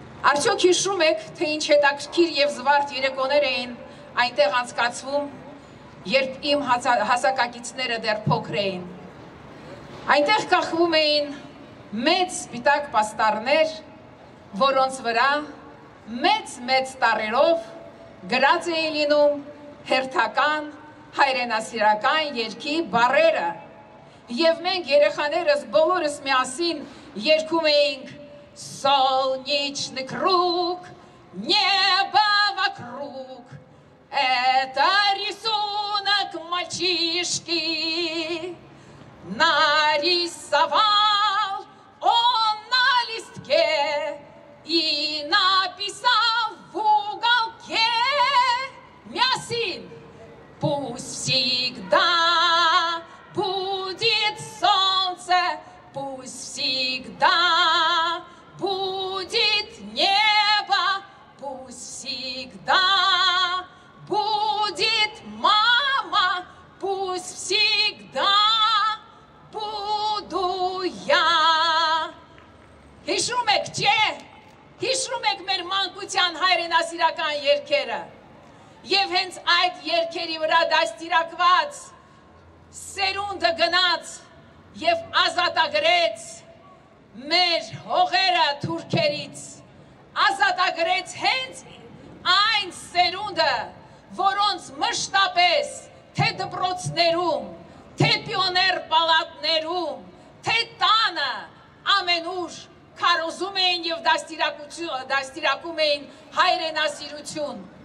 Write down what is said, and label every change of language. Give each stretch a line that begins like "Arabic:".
Armenian: Արդյոք հիշում եք, թե ինչ հետաքրքիր և զվարթ երեկոներ էին այնտեղ անցկացվում, երբ իմ հասակակիցները դեռ փոքր էին. Այնտեղ կախվում էին մեծ սպիտակ պաստառներ, որոնց վրա մեծ-մեծ տառերով գրած էին լինում հերթական հայրենասիրական երգի բառերը. Եվ մենք երեխաներս բոլորս միասին երգում էինք
Russian: «Солнечный круг, небо вокруг, это рисунок мальчишки, нарисовал он на листке и написал в уголке, мясин, пусть всегда будет солнце, пусть всегда будет небо, пусть всегда будет мама, пусть всегда буду я».
Armenian: Հիշում եք, չէ, հիշում եք մեր մանկության հայրենասիրական երգերը, և հենց այդ երգերի վրա դաստիարակված սերունդը գնաց և ազատագրեց մեր հողերը թուրքերից, ազատագրեց հենց այն սերունդը, որոնց մշտապես թե դպրոցներում, թե պիոներ պալատներում, թե տանը ամենուր քարոզում էին և դաստիարակում էին հայրենասիրություն.